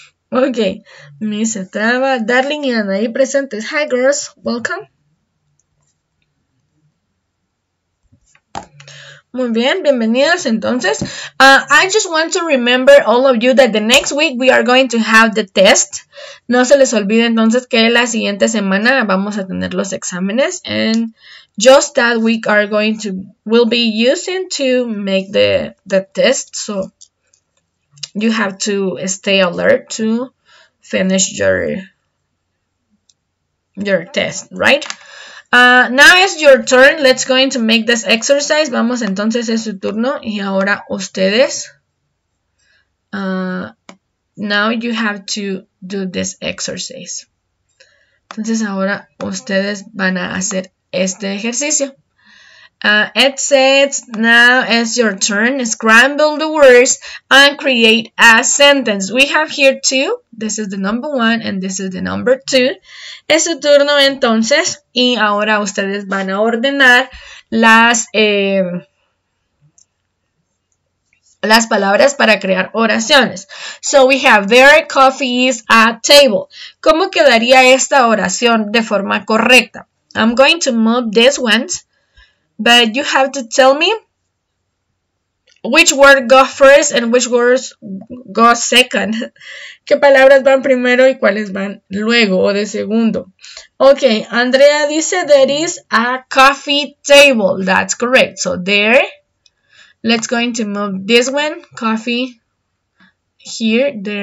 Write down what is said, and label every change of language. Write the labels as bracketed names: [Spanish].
[Spanish] Ok, me se traba. Darling y Anaí presentes. [English] Hi, girls. Welcome. [Spanish] Muy bien, bienvenidos entonces. [English] I just want to remember all of you that the next week we are going to have the test. [Spanish] No se les olvide entonces que la siguiente semana vamos a tener los exámenes. [English] And just that week are going to, will be using to make the test. So you have to stay alert to finish your test, right? Now it's your turn. Let's go to make this exercise. [Spanish] Vamos entonces, es su turno. Y ahora ustedes. [English] Now you have to do this exercise. [Spanish] Entonces ahora ustedes van a hacer este ejercicio. [English] Ed says, now it's your turn. Scramble the words and create a sentence. We have here two. This is the number one and this is the number two. [Spanish] Es su turno entonces. Y ahora ustedes van a ordenar las palabras para crear oraciones. [English] So we have, their coffee is a table. [Spanish] ¿Cómo quedaría esta oración de forma correcta? [English] I'm going to move this one. But you have to tell me which word goes first and which words go second. [Spanish] ¿Qué palabras van primero y cuáles van luego o de segundo? [English] Okay, Andrea dice there is a coffee table. That's correct. So there, let's going to move this one, coffee, here.